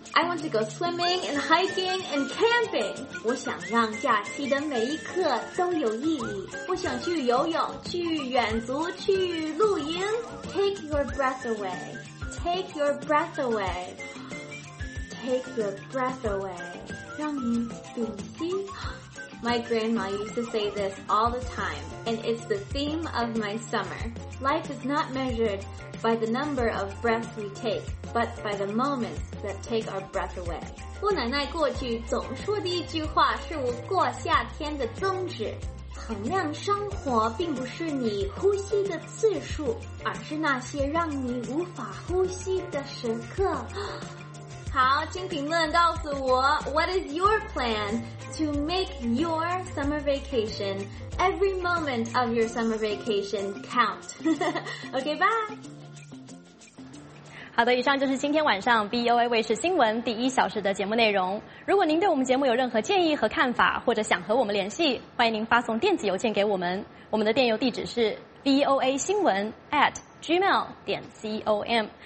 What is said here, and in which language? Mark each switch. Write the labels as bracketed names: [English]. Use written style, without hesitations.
[English] I want to go swimming and hiking and camping. [Chinese] 我想让假期的每一刻都有意义。我想去游泳，去远足，去露营。 [English] Take your breath away. Take your breath away. Take your breath away. [Chinese] 让你屏息。 [English] My grandma used to say this all the time, and it's the theme of my summer. Life is not measured by the number of breaths we take, but by the moments that take our breath away. [Chinese] 我奶奶过去总说的一句话是我过夏天的宗旨。衡量生活并不是你呼吸的次数，而是那些让你无法呼吸的时刻。好，请评论告诉我 [English] What is your plan to make your summer vacation, every moment of your summer vacation count? OK, bye! [Chinese] 好的，以上就是今天晚上 BOA 卫视新闻第一小时的节目内容。如果您对我们节目有任何建议和看法，或者想和我们联系，欢迎您发送电子邮件给我们。我们的电邮地址是 voasinwen@gmail.com。